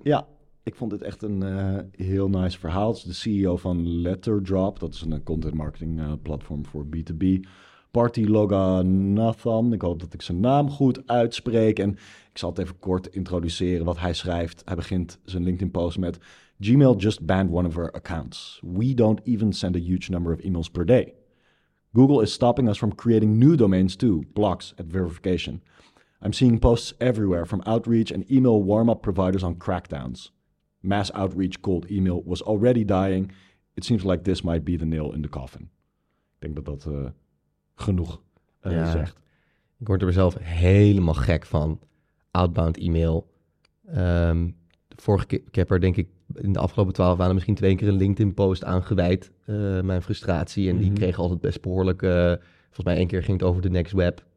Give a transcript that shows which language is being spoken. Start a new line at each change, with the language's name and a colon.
Dutch: Ja, ik vond dit echt een heel nice verhaal. Het is de CEO van Letterdrop. Dat is een content marketing platform voor B2B. Party Loga Nathan, ik hoop dat ik zijn naam goed uitspreek. En ik zal het even kort introduceren wat hij schrijft. Hij begint zijn LinkedIn post met:
English: Gmail just banned one of our accounts. We don't even send a huge number of emails per day. Google is stopping us from creating new domains too, blocks at verification. I'm seeing posts everywhere from outreach and email warm-up providers on crackdowns. Mass outreach cold email was already dying. It seems like this might be the nail in the coffin.
Dutch: Ik denk dat dat genoeg zegt. Ik word er mezelf helemaal gek van. Outbound email. Vorige keer, ik heb er denk ik in de afgelopen 12 maanden misschien 2 keer een LinkedIn post aan gewijd. Mijn frustratie. En die kreeg altijd best behoorlijk. Volgens mij 1 keer ging het over de next web.